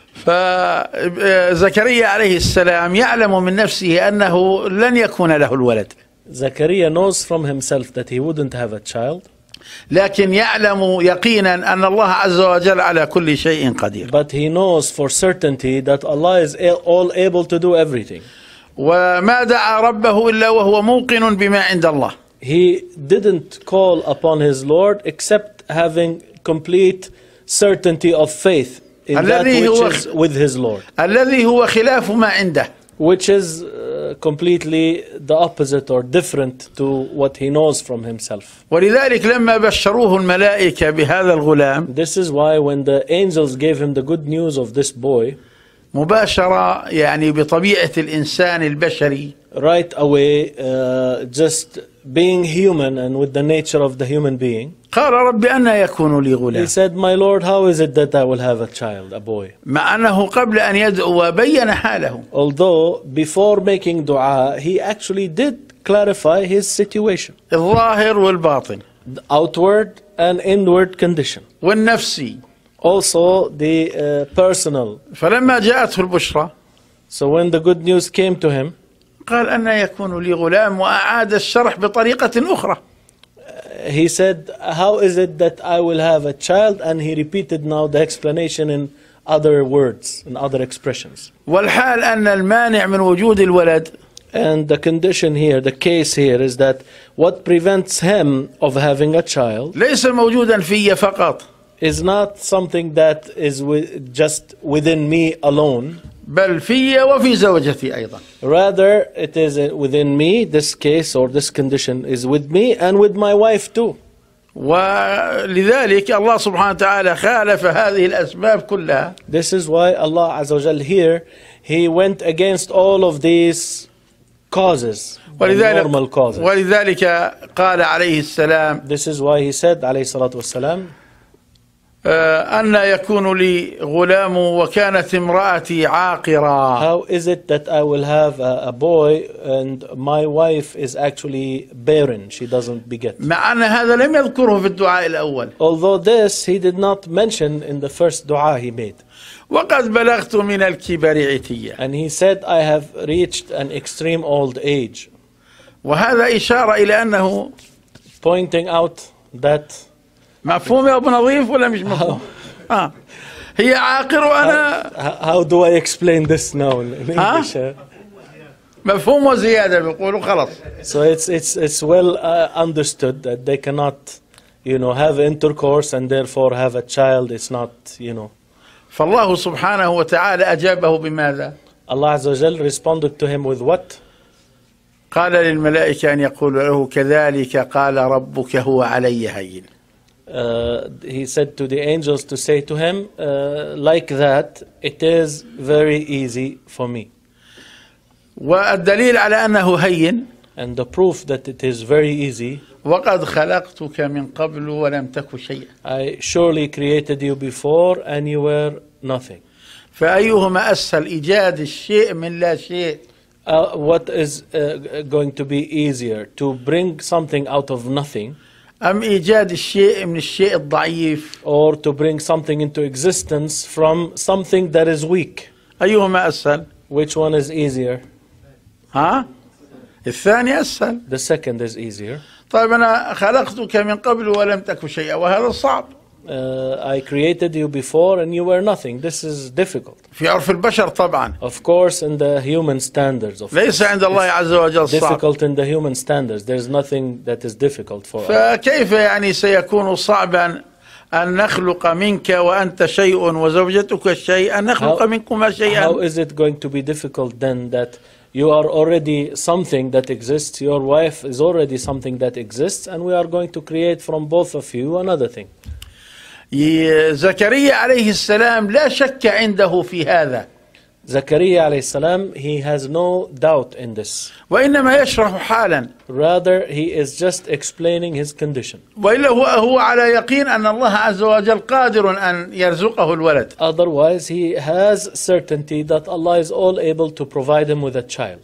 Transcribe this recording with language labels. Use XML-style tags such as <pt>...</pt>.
<ar>فزكريا عليه السلام يعلم من نفسه أنه لن يكون له الولد.</ar> <en>زكريا knows from himself that he wouldn't have a child.</en> <ar>لكن يعلم يقينا أن الله عز وجل على كل شيء قدير.</ar> <en>But he knows for certainty that Allah is all able to do everything.</en> <ar>وما دعا ربه إلا وهو موقن بما عند الله.</ar> <en>He didn't call upon his Lord except having complete certainty of faith in that which is with his Lord.</en> <ar>الذي هو خلاف ما عنده.</ar> <en>Which is completely the opposite or different to what he knows from himself.</en> <ar>ولذلك لما بشروه الملائكة بهذا الغلام.</ar> <en>This is why when the angels gave him the good news of this boy.</en> <ar>مباشرة يعني بطبيعة الإنسان البشري.</ar> <en>Right away, just being human and with the nature of the human being.</en> <ar>قال ربي أنا يكون لي غلام.</ar> <en>He said, "My Lord, how is it that I will have a child, a boy?"</en> <ar>مع أنه قبل أن يدعو وبين حاله.</ar> <en>Although before making dua, he actually did clarify his situation.</en> <ar>الظاهر والباطن.</ar> <en>Outward and inward condition.</en> <ar>والنفسي.</ar> <en>Also the personal.</en> <ar>فلما جاءته البشرى.</ar> <en>So when the good news came to him.</en> <ar>قال أنا يكون لي غلام وأعاد الشرح بطريقة أخرى.</ar> <en>He said, "How is it that I will have a child?" And he repeated now the explanation in other words, in other expressions.</en> <ar>والحال أن المانع من وجود الولد.</ar> <en>And the condition here, the case here, is that what prevents him of having a child.</en> <ar>ليس موجودا في فقط.</ar> <en>Is not something that is just within me alone.</en> <ar>بل في وفي زوجتي أيضا.</ar> <en>Rather, it is within me. This case or this condition is with me and with my wife too.</en> <ar>ولذلك الله سبحانه وتعالى خالف هذه الأسباب كلها.</ar> <en>This is why Allah</en> <ar>عز وجل</ar> <en>here, he went against all of these causes, normal causes.</en> <ar>ولذلك قال عليه السلام.</ar> <en>This is why he said</en> <ar>عليه الصلاة والسلام. أن يكون لي غلام وكانت امرأتي عاقرة.</ar> <en>How is it that I will have a boy and my wife is actually barren? She doesn't beget.</en> <ar>مع أن هذا لم يذكره في الدعاء الأول.</ar> <en>Although this he did not mention in the first dua he made.</en> <ar>وقد بلغت من الكبر عتية.</ar> <en>And he said, "I have reached an extreme old age."</en> <ar>وهذا إشارة إلى أنه</ar> <en>pointing out that.</en> <ar>مفهوم يا أبو نظيف ولا مش مفهوم؟ هي عاقر وأنا.</ar> <en>How do I explain this now in English?</en> <ar>مفهوم وزيادة بيقولوا خلاص.</ar> <en>So it's well understood that they cannot, you know, have intercourse and therefore have a child. It's not, you know.</en> <ar>فالله سبحانه وتعالى أجابه بماذا؟</ar> <en>Allah</en> <ar>عز وجل</ar> <en>responded to him with what?</en> <ar>قال للملائكة أن يقولوا له كذلك قال ربك هو علي هين.</ar> <en>He said to the angels to say to him, like that, it is very easy for me.</en> <ar>والدليل على أنه هين.</ar> <en>And the proof that it is very easy.</en> <ar>وقد خلقتك من قبل ولم تك شيئا.</ar> <en>I surely created you before and you were nothing.</en> <ar>فأيهما أسهل إيجاد الشيء من لا شيء.</ar> <en>What is going to be easier, to bring something out of nothing?</en> <ar>أم إيجاد الشيء من الشيء الضعيف</ar> <en>or to bring something into existence from something that is weak.</en> <ar>أيهما أسهل؟</ar> <en>Which one is easier?</en> <ar>ها؟ الثاني أسهل.</ar> <en>The second is easier.</en> <ar>طيب أنا خلقتك من قبل ولم تكن شيئا وهذا صعب.</ar> <en>I created you before and you were nothing. This is difficult.</en> <ar>في عرف البشر طبعا.</ar> <en>Of course, in the human standards. Of</en> <ar>ليس عند الله عز وجل صعب.</ar> <en>Difficult in the human standards. There is nothing that is difficult for us.</en> <ar>فكيف يعني سيكون صعبا أن نخلق منك وأنت شيء وزوجتك شيء أن نخلق منكما شيئا؟</ar> <en>How is it going to be difficult then that You are already something that exists. Your wife is already something that exists, and we are going to create from both of you another thing.</en> <ar>زكريا عليه السلام لا شك عنده في هذا.</ar> <en>زكريا</en> <ar>عليه السلام,</ar> <en>he has no doubt in this.</en> <ar>وإنما يشرح حالا.</ar> <en>Rather, he is just explaining his condition.</en> <ar>وإلا هو على يقين أن الله عز وجل قادر أن يرزقه الولد.</ar> <en>Otherwise, he has certainty that Allah is all able to provide him with a child.</en>